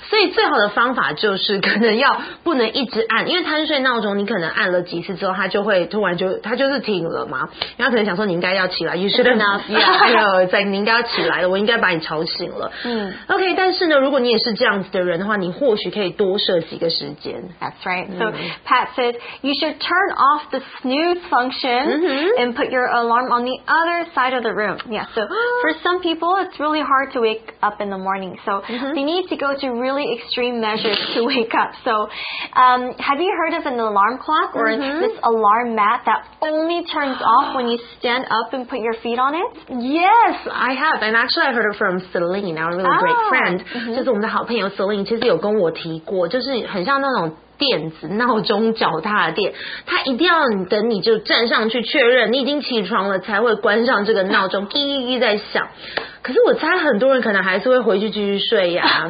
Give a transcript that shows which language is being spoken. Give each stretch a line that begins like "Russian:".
Chinese: 所以最好的方法就是可能要不能一直按，因为贪睡闹钟你可能按了几次之后它就会突然就它就是停了嘛，然后可能想说你应该要起来 you should
English: have
Chinese: yeah, no, it's like, 你应该要起来了，我应该把你吵醒了。 OK, 但是呢，如果你也是这样子的人的话，你或许可以多设几个时间。
English: That's right. So Pat says you should turn off the snooze function and put your alarm on the other side of the room. Yeah, so for some people it's really hard to wake up in the morning, so they need to go to really extreme measures to wake up. So have you heard of an alarm clock or this alarm mat that only turns off when you stand up and put your feet on it? Yes, I have. And actually, I heard it from Celine, our really great friend.
Chinese: 就是我们的好朋友 Celine 其实有跟我提过，就是很像那种电子闹钟脚踏垫，它一定要等你就站上去确认你已经起床了才会关上这个闹钟，滴滴滴在响。可是我猜很多人可能还是会回去继续睡呀。